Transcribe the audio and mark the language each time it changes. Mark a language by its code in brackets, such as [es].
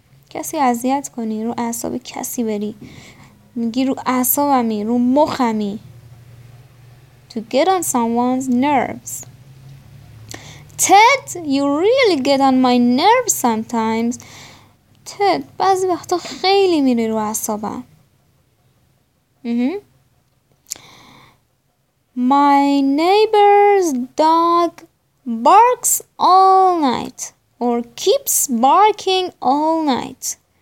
[fa] کسی اذیت کنی، رو اعصاب کسی بری، میگی رو اعصابمی، رو مخمی. [en] To get on someone's nerves. Ted, you really get on my nerves sometimes. [fa] Ted, بعضی وقتا خیلی میری رو اعصابم. [en] My neighbor's dog barks all night or keeps barking all night.